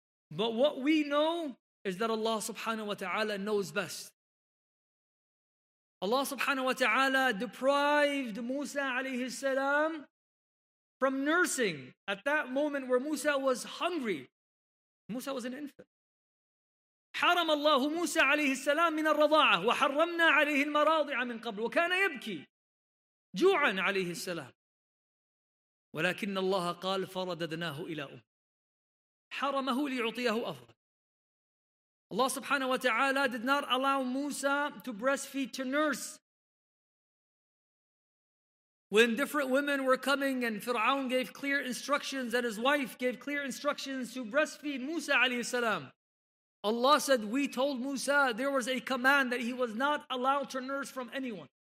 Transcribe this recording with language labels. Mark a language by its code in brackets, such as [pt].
[en] But what we know is that Allah subhanahu wa ta'ala knows best. Allah subhanahu wa ta'ala deprived Musa alayhi salam from nursing at that moment where Musa was hungry. Musa was an infant. [ar] حرم الله موسى عليه السلام من الرضاعة وحرمنا عليه المراضع من قبل وكان يبكي جوعا عليه السلام، ولكن الله قال فرددناه إلى أمه، حرمه ليعطيه أفضل. الله سبحانه وتعالى [en] did not allow Musa to breastfeed, to nurse. When different women were coming and Fir'aun gave clear instructions and his wife gave clear instructions to breastfeed Musa [ar] عليه السلام, [en] Allah said, we told Musa there was a command that he was not allowed to nurse from anyone.